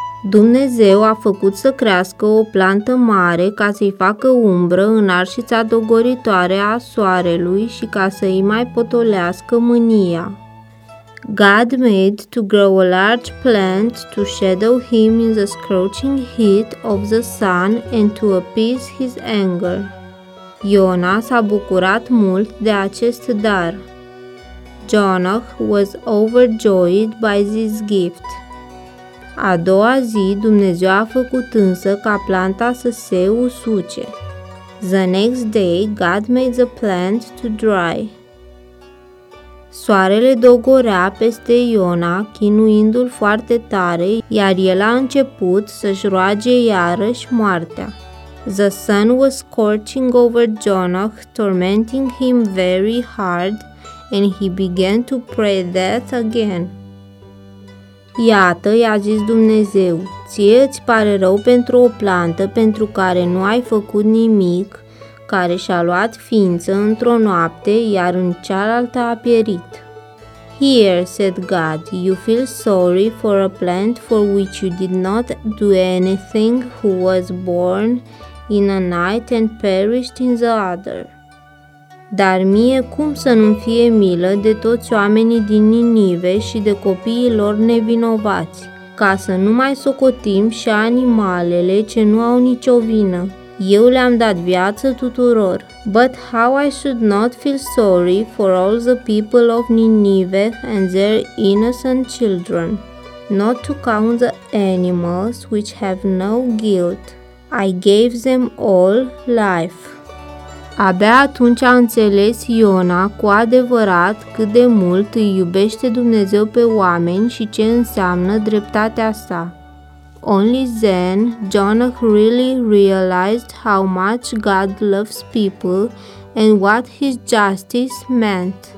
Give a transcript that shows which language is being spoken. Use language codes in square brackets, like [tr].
[ro] Dumnezeu a făcut să crească o plantă mare ca să-i facă umbră în arșița dogoritoare a soarelui și ca să-i mai potolească mânia. [en] God made to grow a large plant to shadow him in the scorching heat of the sun and to appease his anger. [ro] Iona s-a bucurat mult de acest dar. [en] Jonah was overjoyed by this gift. [ro] A doua zi, Dumnezeu a făcut însă ca planta să se usuce. [en] The next day, God made the plant to dry. [ro] Soarele dogorea peste Iona, chinuindu-l foarte tare, iar el a început să-și roage iarăși moartea. [en] The sun was scorching over Jonah, tormenting him very hard, and he began to pray death again. [ro] Iată, i-a zis Dumnezeu, ție îți pare rău pentru o plantă pentru care nu ai făcut nimic, care și-a luat ființă într-o noapte, iar în cealaltă a pierit. [en] Here, said God, you feel sorry for a plant for which you did not do anything, who was born in a night and perished in the other. [ro] Dar mie cum să nu-mi fie milă de toți oamenii din Ninive și de copiii lor nevinovați, ca să nu mai socotim și animalele ce nu au nicio vină. Eu le-am dat viață tuturor. [en] But how I should not feel sorry for all the people of Ninive and their innocent children, not to count the animals which have no guilt. I gave them all life. [ro] Abia atunci a înțeles Iona cu adevărat cât de mult îi iubește Dumnezeu pe oameni și ce înseamnă dreptatea sa. [en] Only then Jonah really realized how much God loves people and what his justice meant.